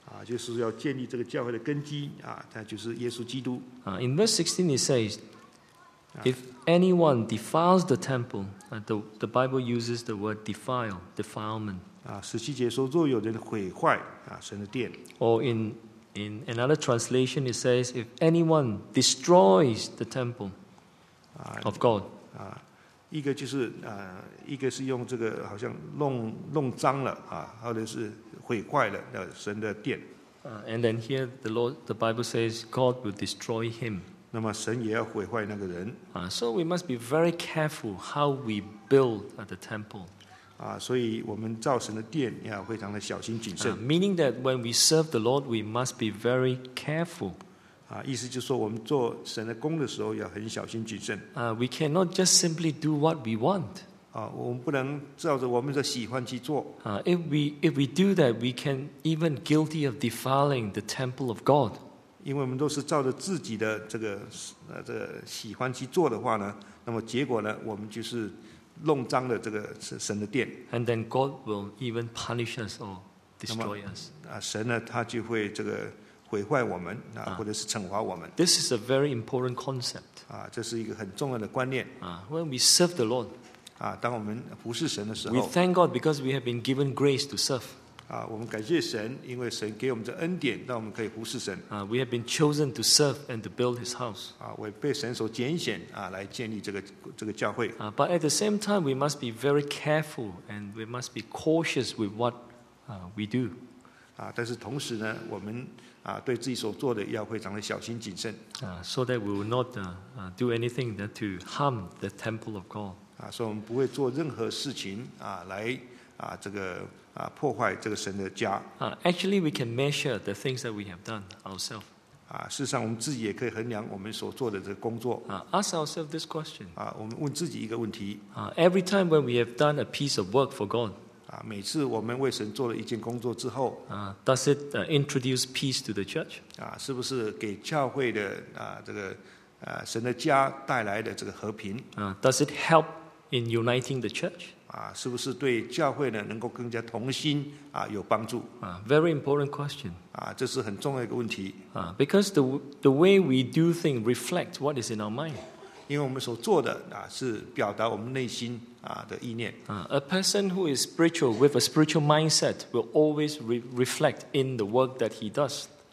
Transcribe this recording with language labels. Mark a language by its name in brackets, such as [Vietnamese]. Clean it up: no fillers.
[Chinese] 就是要建立这个教会的根基它就是耶稣基督。 [English] In verse 16 it says, if anyone defiles the temple, the Bible uses the word defile, defilement. [Chinese] 十七节说若有人毁坏神的殿。 [English] Or in another translation, it says if anyone destroys the temple. of God. [Chinese] 一个就是一个是用这个好像弄脏了或者是毁坏了神的殿。 [English] And then here the Lord, the Bible says God will destroy him. [Chinese] 那么神也要毁坏那个人。 [English] So we must be very careful how we build the temple. [Chinese] 所以我们造神的殿要非常的小心谨慎。 [English] Meaning that when we serve the Lord, we must be very careful. [Chinese] 意思就是说我们做神的工的时候要很小心谨慎。 [English] We cannot just simply do what we want. [Chinese] 我们不能照着我们的喜欢去做。 [English] If we do that, we can even guilty of defiling the temple of God. [Chinese] 因为我们都是照着自己的这个喜欢去做的话呢，那么结果呢，我们就是弄脏了这个神的殿。 [English] And then God will even punish us or destroy us. [Chinese] 神呢，他就会这个毁坏我们或者是惩罚我们。 [English] This is a very important concept. [Chinese] 这是一个很重要的观念。 [English] When we serve the Lord, [Chinese] 当我们服侍神的时候， [English] we thank God because we have been given grace to serve. [Chinese] 我们感谢神，因为神给我们的恩典，让我们可以服侍神。 [English] We have been chosen to serve and to build His house. [Chinese] 我被神所拣选来建立这个教会。 [English] But at the same time, we must be very careful and we must be cautious with what we do. [Chinese] 但是同时呢，我们对自己所做的要非常的小心谨慎。 [English] So that we will not do anything that to harm the temple of God. [Chinese] 所以我们不会做任何事情来这个破坏这个神的家。 [English] Actually, we can measure the things that we have done ourselves. [Chinese] 事实上我们自己也可以衡量我们所做的这个工作。 [English] Ask ourselves this question. [Chinese] 我们问自己一个问题。 [English] Every time when we have done a piece of work for God. [Chinese] 每次我们为神做了一件工作之后， [English] Does it introduce peace to the church? [Chinese] 是不是给教会的这个神的家带来的这个和平？ [English] Does it help in uniting the church? [Chinese] 是不是对教会呢能够更加同心有帮助？ [English] Very important question. [Chinese] 这是很重要的问题。 [English] Because the way we do things reflect what is in our mind. [Chinese] 因为我们所做的是表达我们内心的意念。 [English] A person who is spiritual with a spiritual mindset will always reflect in the work that he does.